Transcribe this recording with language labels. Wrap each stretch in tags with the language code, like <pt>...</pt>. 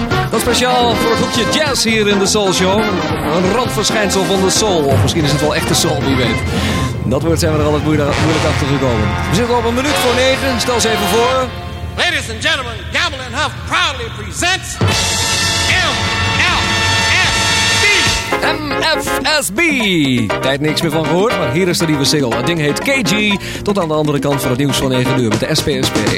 <nl>Dat speciaal voor een groepje jazz hier in de Soul Show. Een randverschijnsel van de soul. Of misschien is het wel echte soul, wie weet. Dat woord zijn we er altijd moeilijk achter gekomen. We zitten op een minuut voor negen. Stel eens even voor.</nl> <en>Ladies and gentlemen, Gamble and Huff proudly presents MFSB. MFSB.</en> <nl>Tijd niks meer van gehoord, maar hier is de nieuwe single. Het ding heet KG. Tot aan de andere kant van het nieuws van 9 uur met de SPSP.</nl>